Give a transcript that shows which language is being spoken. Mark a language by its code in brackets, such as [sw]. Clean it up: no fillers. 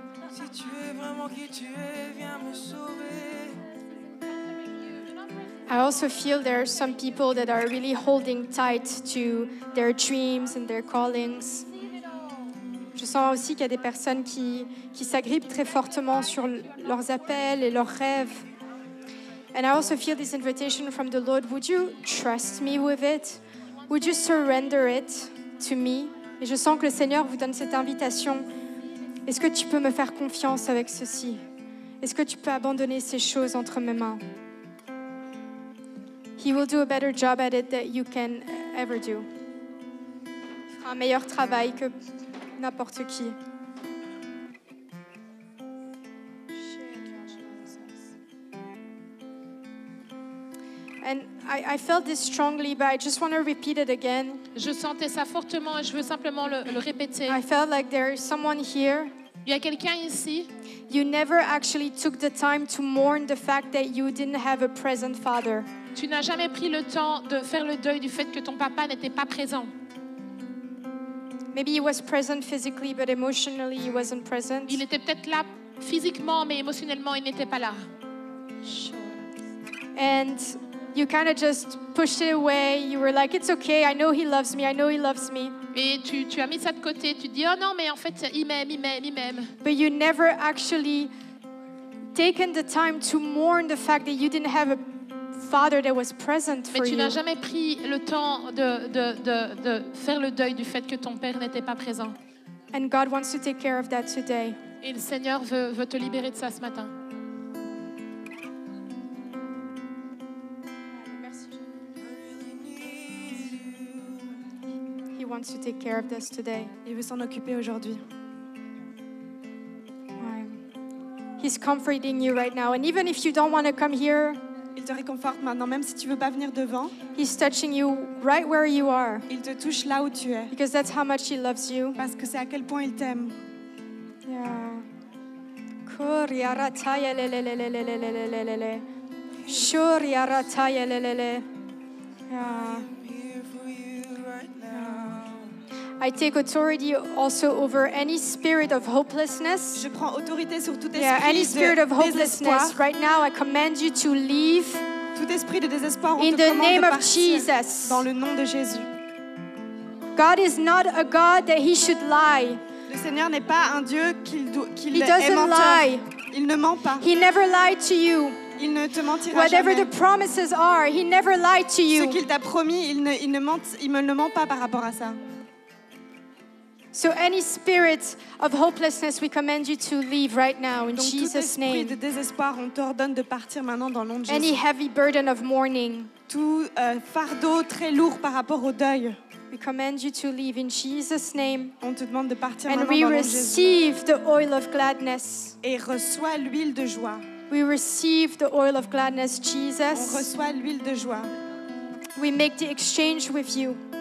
[fr] Si tu es vraiment qui tu es, viens me sauver. [en] I also feel there are some people that are really holding tight to their dreams and their callings. [fr] Je sens aussi qu'il y a des personnes qui s'agrippent très fortement sur leurs appels et leurs rêves. [en] And I also feel this invitation from the Lord. Would you trust me with it? Would you surrender it to me? [fr] Et je sens que le Seigneur vous donne cette invitation. Est-ce que tu peux me faire confiance avec ceci? Est-ce que tu peux abandonner ces choses entre mes mains? [en] He will do a better job at it than you can ever do. [fr] Un meilleur travail que n'importe qui. [en] And I felt this strongly, but I just want to repeat it again. [fr] Je sentais ça fortement et je veux simplement le répéter. [en] I felt like there is someone here. [fr] Il y a quelqu'un ici. [en] You never actually took the time to mourn the fact that you didn't have a present father. [fr] Tu n'as jamais pris le temps de faire le deuil du fait que ton papa n'était pas présent. [en] Maybe he was present physically, but emotionally he wasn't present. [fr] Il était peut-être là physiquement, mais émotionnellement il n'était pas là. [en] And you kind of just pushed it away. You were like, it's okay. I know he loves me. I know he loves me. [fr] Et tu as mis ça de côté. Tu dis, oh non, mais en fait il m'aime. [en] But you never actually taken the time to mourn the fact that you didn't have a father that was present for you. [fr] Mais tu n'as jamais pris le temps de faire le deuil du fait que ton père n'était pas présent. [en] And God wants to take care of that today. [fr] Et le Seigneur veut te libérer de ça ce matin. [en] He wants to take care of this today. [fr] Il veut s'en occuper aujourd'hui. [en] He's comforting you right now, and even if you don't want to come here. [fr] Il te réconforte maintenant, même si tu veux pas venir devant. [en] He's touching you right where you are. [fr] Il te touche là où tu es. [en] Because that's how much he loves you. [fr] Parce que c'est à quel point il t'aime. Yeah. Kori arata yelelelelelelelelelelele. Shori arata yelelelele. Yeah. [en] I take authority also over any spirit of hopelessness. [fr] Je prends autorité sur tout esprit de désespoir. [en] Any spirit of hopelessness. Right now, I command you to leave. [fr] Tout esprit de désespoir. [en] In the name of Jesus. [fr] Dans le nom de Jésus. [en] God is not a God that he should lie. [fr] Le Seigneur n'est pas un Dieu qu'il est menteur. [en] He doesn't lie. [fr] Il ne ment pas. [en] He never lied to you. [fr] Il ne te mentira jamais. [en] Whatever the promises are, he never lied to you. [fr] Ce qu'il t'a promis, il ne ment pas par rapport à ça. [en] So any spirit of hopelessness, we command you to leave right now in [fr] Donc, [en] Jesus' name. [fr] Tout esprit de désespoir, on t'ordonne de partir maintenant dans le nom de Jésus. [en] Any heavy burden of mourning. [fr] Tout fardeau très lourd par rapport au deuil. [en] We command you to leave in Jesus' name. [fr] On te demande de partir [en] and [fr] maintenant dans le nom de Jésus. [en] And we receive the oil of gladness. [fr] Et reçois l'huile de joie. [en] We receive the oil of gladness, Jesus. [fr] On reçoit l'huile de joie. [en] We make the exchange with you.